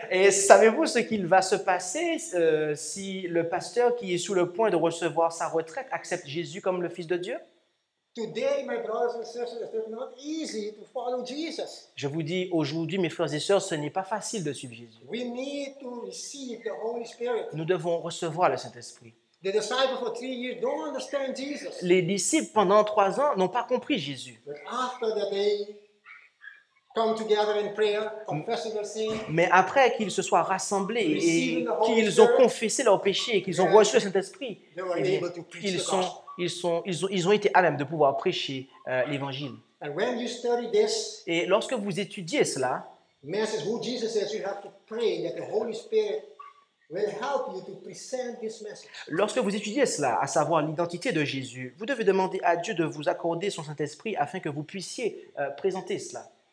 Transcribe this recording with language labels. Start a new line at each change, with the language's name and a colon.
French: Et savez-vous ce qu'il va se passer si le pasteur qui est sur le point de recevoir sa retraite accepte Jésus comme le Fils de Dieu?
English: Today, my brothers and sisters, it's not easy to follow Jesus.
French: Je vous dis aujourd'hui, mes frères et sœurs, ce n'est pas facile de suivre Jésus.
English: We need to receive the Holy Spirit.
French: Nous devons recevoir le Saint-Esprit.
English: The disciples for 3 years don't understand Jesus.
French: Les disciples pendant 3 ans n'ont pas compris Jésus.
English: But after that they come together in prayer, confessing their sin.
French: Mais après qu'ils se soient rassemblés et qu'ils ont confessé leurs péchés et qu'ils ont reçu le Saint-Esprit, ils ont été à même de pouvoir prêcher l'Évangile.
English: And when you study this,
French: et lorsque vous étudiez cela,
English: message who Jesus is, you have to pray that the Holy Spirit will help you to present this message.
French: Lorsque vous étudiez cela, à savoir l'identité de Jésus, vous devez demander à Dieu de vous accorder son Saint-Esprit afin que vous puissiez présenter cela.